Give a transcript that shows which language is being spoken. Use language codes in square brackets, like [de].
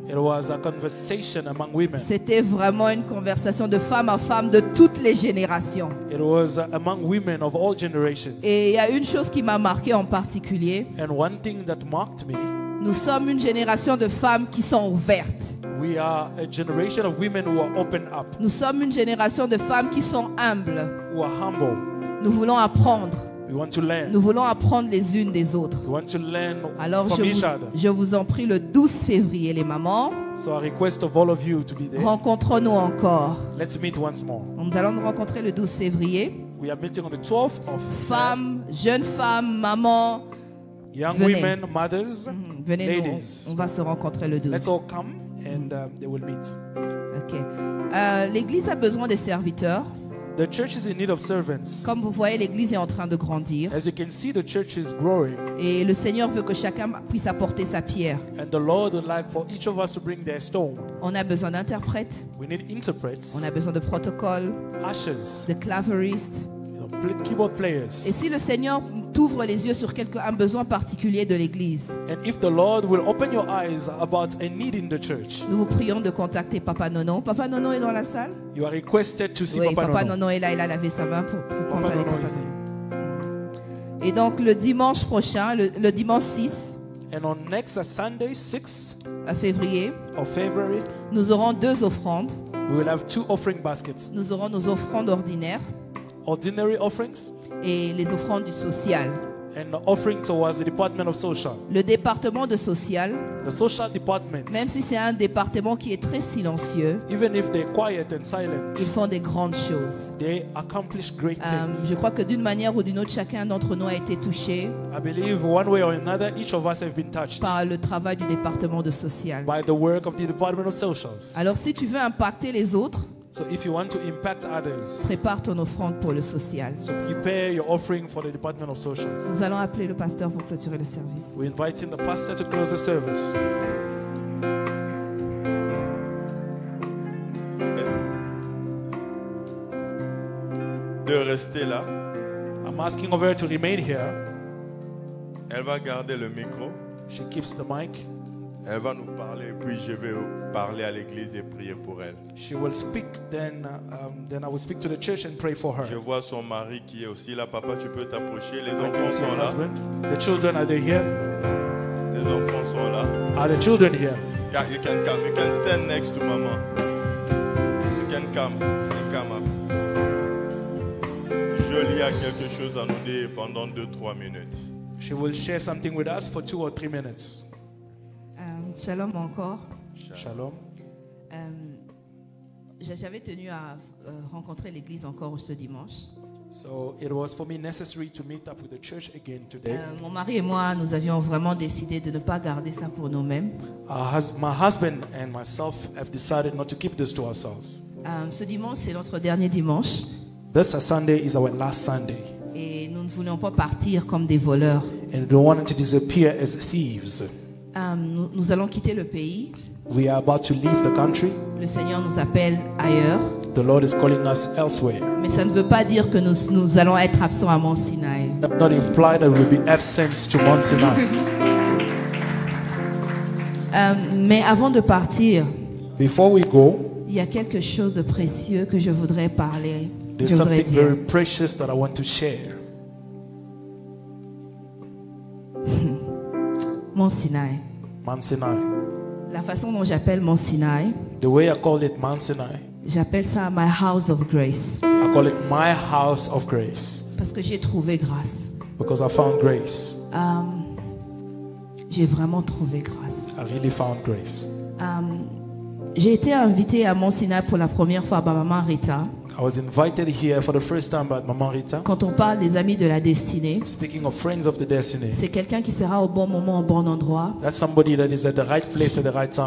[en] It was a conversation among women. [fr] C'était vraiment une conversation de femme à femme de toutes les générations. [en] It was among women of all generations. [fr] Et il y a une chose qui m'a marqué en particulier. [en] And one thing that marked me. [fr] Nous sommes une génération de femmes qui sont ouvertes. [en] We are a generation of women who are open up. [fr] Nous sommes une génération de femmes qui sont humbles. [en] Who are humble. [fr] Nous voulons apprendre. [en] We want to learn. [fr] Nous voulons apprendre les unes des autres. [en] We want to learn. [fr] Alors [en] from each other. [fr] Je vous en prie, le 12 février, les mamans, [en] so I request of all of you to be there. [fr] Rencontrons-nous encore. [en] Let's meet once more. [fr] Nous allons nous rencontrer le 12 février. [en] We are meeting on the 12th of [fr] femmes, jeunes femmes, mamans, [en] young [fr] venez. [en] Women, mothers, [fr] venez [en] ladies. [fr] Nous, on va se rencontrer le 12. [en] Let's all come and they will meet. [fr] Okay. L'église a besoin des serviteurs. [en] The church is in need of servants. [fr] Comme vous voyez, l'église est en train de grandir. [en] As you can see, the church is growing. [fr] Et le Seigneur veut que chacun puisse apporter sa pierre. [en] And the Lord would like for each of us to bring their stone. [fr] On a besoin d'interprètes. [en] We need interprets. [fr] On a besoin de protocoles. [en] Ushers. [fr] De claveristes. [en] Keyboard players. [fr] Et si le Seigneur t'ouvre les yeux sur un besoin particulier de l'église, [en] and if the Lord will open your eyes about a need in the church, [fr] nous vous prions de contacter Papa Nono. Papa Nono est dans la salle. [en] You are requested to see, [fr] oui, Papa Nono. Papa Nono est là, il a lavé sa main pour contacter Papa Nono. Et donc le dimanche prochain, le dimanche 6, [en] and on next Sunday, 6 [fr] à février, [en] of February, [fr] nous aurons 2 offrandes. [en] We will have 2 offering baskets. [fr] Nous aurons nos offrandes ordinaires. [en] Ordinary offerings. [fr] Et les offrandes du social. [en] And the offering towards the department of social. [fr] Le département de social. [en] The social department. [fr] Même si c'est un département qui est très silencieux. [en] Even if they're quiet and silent. [fr] Ils font des grandes choses. [en] They accomplish great things. [fr] Je crois que d'une manière ou d'une autre, chacun d'entre nous a été touché. [en] I believe one way or another, each of us have been touched. [fr] Par le travail du département de social. [en] By the work of the department of social. [fr] Alors si tu veux impacter les autres. [en] So if you want to impact others, [fr] prépare ton offrande pour le social. [en] So prepare your offering for the Department of Social. [fr] Nous allons appeler le pasteur pour clôturer le service. [en] We're inviting the pastor to close the service. [fr] De rester là. [en] I'm asking of her to remain here. [fr] Elle va garder le micro. [en] She keeps the mic. [fr] Elle va nous parler, puis je vais parler à l'église et prier pour elle. [en] She will speak, then I will speak to the church and pray for her. [fr] Je vois son mari qui est aussi là. Papa, tu peux t'approcher. Les enfants sont là. [en] The children, are they here? [fr] Les enfants sont là. [en] Are the children here? Yeah, you can come. You can stand next to mama. You can come. You can come up. [fr] Jolie a quelque chose à nous dire pendant 2-3 minutes. [en] She will share something with us for 2 or 3 minutes. [fr] Shalom encore. Shalom. J'avais tenu à rencontrer l'église encore ce dimanche. [en] So it was for me necessary to meet up with the church again today. [fr] Mon mari et moi, nous avions vraiment décidé de ne pas garder ça pour nous-mêmes. [en] My husband and myself have decided not to keep this to ourselves. [fr] Ce dimanche, c'est notre dernier dimanche. [en] This Sunday is our last Sunday. [fr] Et nous ne voulions pas partir comme des voleurs. [en] And we don't want to disappear as thieves. [fr] Nous allons quitter le pays. [en] We are about to leave the country. [fr] Le Seigneur nous appelle ailleurs. [en] The Lord is calling us elsewhere. [fr] Mais ça ne veut pas dire que nous allons être absents à Mount Sinai. [en] That does not imply that we'll be absent to Mount Sinai. [fr] Mais avant de partir, [en] before we go, [fr] Il y a quelque chose de précieux que je voudrais parler. [en] There's something very precious that I want to share. [fr] Mon Sinaï. [en] Mount Sinai. [fr] La façon dont j'appelle Mount Sinai. [en] The way I call it Mount Sinai. [fr] J'appelle ça [en] my house of grace. I call it my house of grace. [fr] Parce que j'ai trouvé grâce. [en] Because I found grace. [fr] J'ai vraiment trouvé grâce. [en] I really found grace. [fr] J'ai été invité à Mount Sinai pour la première fois par maman Rita. [en] I was invited here for the first time by Mama Rita. [fr] Quand on parle des amis de la destinée, [en] speaking of friends of the destiny, [fr] c'est quelqu'un qui sera au bon moment au bon endroit. [en] That's somebody that is at the right place at the right time.